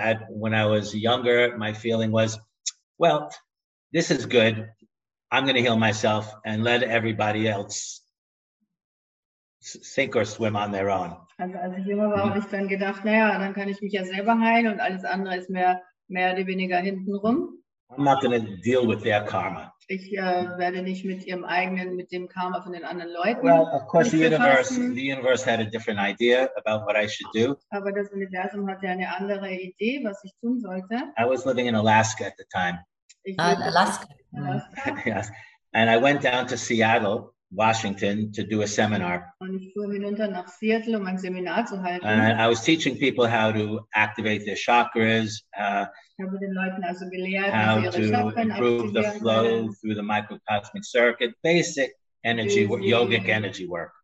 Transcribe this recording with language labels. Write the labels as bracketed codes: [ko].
[en] When I was younger, my feeling was, well, this is good. I'm going to heal myself and let everybody else sink or swim on their own. [de] Also ich immer war, habe ich dann gedacht, naja, dann kann ich mich ja selber heilen und alles andere ist mehr oder weniger hintenrum. [en] I'm not going to deal with their karma. [de] Ich werde nicht mit ihrem eigenen, mit dem Karma von den anderen Leuten. [en] Well, of course, the universe had a different idea about what I should do. [de] Aber das Universum hatte eine andere Idee, was ich tun sollte. [en] I was living in Alaska at the time. [de] Alaska. [en] Yes, and I went down to Seattle, Washington, to do a seminar. [de] Und ich fuhr hinunter nach Seattle, um ein Seminar zu halten. [en] And I was teaching people how to activate their chakras. [de] Ich habe den Leuten also gelehrt, [en] how to improve the flow through the microcosmic circuit, basic energy, yogic energy work.